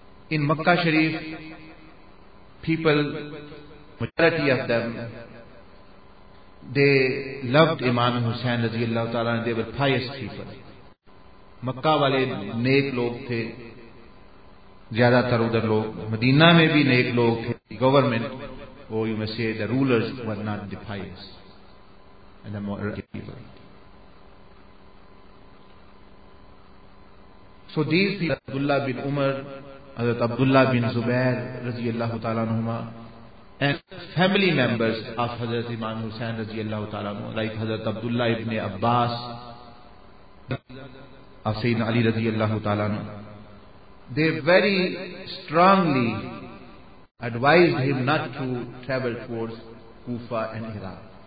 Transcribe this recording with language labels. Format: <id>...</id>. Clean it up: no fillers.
<en>In Makkah Sharif, people, majority of them, they loved Imam Hussain رضی اللہ تعالیٰ عنہ. They were pious people.</en> <ur>مکہ والے نیک لوگ تھے, زیادہ تر ادھر لوگ مدینہ میں بھی نیک لوگ تھے.</ur> <en>Government, or you may say the rulers, were not the pious and the moderate people. So these people, Abdullah bin Umar, Hazrat Abdullah bin Zubair رضی اللہ تعالیٰ عنہما, and family members of Hazrat Imam Hussain رضی اللہ تعالیٰ عنہ, like Hazrat Abdullah ibn Abbas of Sayyidina Ali رضی اللہ تعالیٰ عنہ, they very strongly advised him not to travel towards Kufa and Iraq.</en>